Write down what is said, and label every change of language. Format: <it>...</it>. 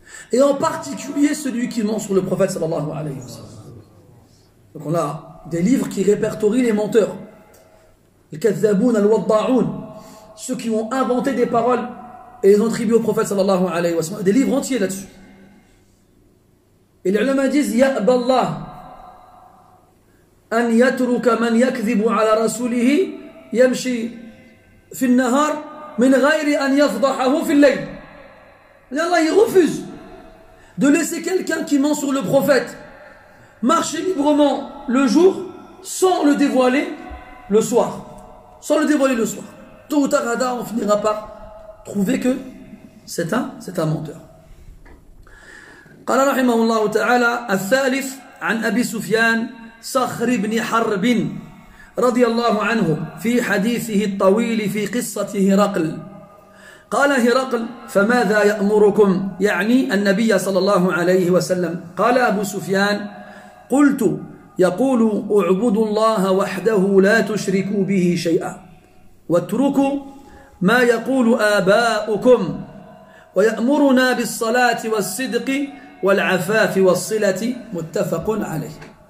<fr>Et en particulier celui qui ment sur le prophète</fr> <ar>sallallahu alayhi wa sallam.</ar> <fr>Donc on a des livres qui répertorient les menteurs. Les</fr> <ar>kathaboun al-wadda'oun.</ar> <fr>Ceux qui ont inventé des paroles et les attribuent au prophète</fr> <ar>sallallahu alayhi wa sallam.</ar> <fr>Des livres entiers là-dessus. Et les ulama disent, ya'ballah.</fr> <ar>أن يترك من يكذب على رسوله يمشي في النهار من غير أن يفضحه في الليل. الله يغفز.</ar> <fr>de laisser quelqu'un qui ment sur le prophète marcher librement le jour sans le dévoiler le soir. Sans le dévoiler le soir. Tôt ou tard, on finira par trouver que c'est un menteur.</fr> <ar>قال رحمه الله تعالى الثالث عن أبي سفيان صخر بن حرب رضي الله عنه في حديثه الطويل في قصة هرقل قال هرقل فماذا يأمركم يعني النبي صلى الله عليه وسلم قال أبو سفيان قلت يقول اعبدوا الله وحده لا تشركوا به شيئا واتركوا ما يقول آباؤكم ويأمرنا بالصلاة والصدق والعفاف والصلة متفق عليه</ar>